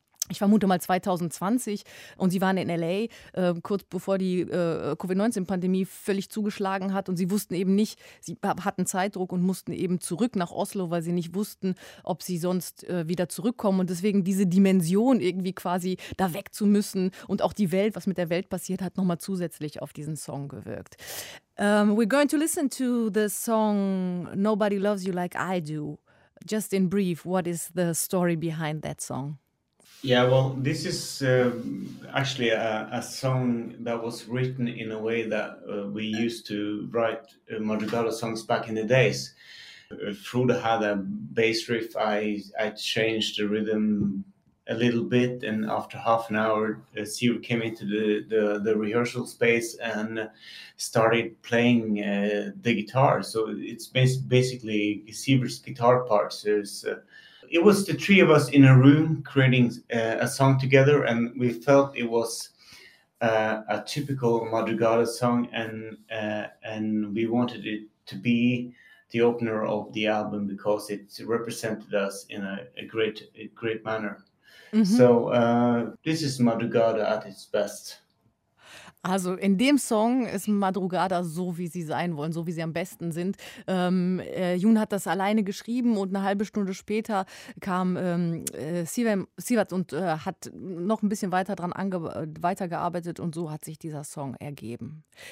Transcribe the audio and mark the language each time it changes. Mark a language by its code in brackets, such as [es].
[de] Ich vermute mal 2020 und sie waren in L.A. Kurz bevor die Covid-19-Pandemie völlig zugeschlagen hat und sie wussten eben nicht, sie hatten Zeitdruck und mussten eben zurück nach Oslo, weil sie nicht wussten, ob sie sonst wieder zurückkommen und deswegen diese Dimension irgendwie quasi da weg zu müssen und auch die Welt, was mit der Welt passiert hat, nochmal zusätzlich auf diesen Song gewirkt. [en] We're going to listen to the song Nobody Loves You Like I Do. Just in brief, what is the story behind that song? Yeah, well, this is actually a song that was written in a way that we used to write madrugada songs back in the days. Frode had a bass riff. I changed the rhythm a little bit, and after half an hour, Siw came into the rehearsal space and started playing the guitar. So it's basically Siw's guitar parts. It was the three of us in a room creating a song together, and we felt it was a typical madrugada song, and we wanted it to be the opener of the album because it represented us in a great manner. Mm-hmm. So this is madrugada at its best. [de] Also in dem Song ist Madrugada so, wie sie sein wollen, so wie sie am besten sind. Jun hat das alleine geschrieben und eine halbe Stunde später kam Siewert und hat noch ein bisschen weiter dran weitergearbeitet und so hat sich dieser Song ergeben.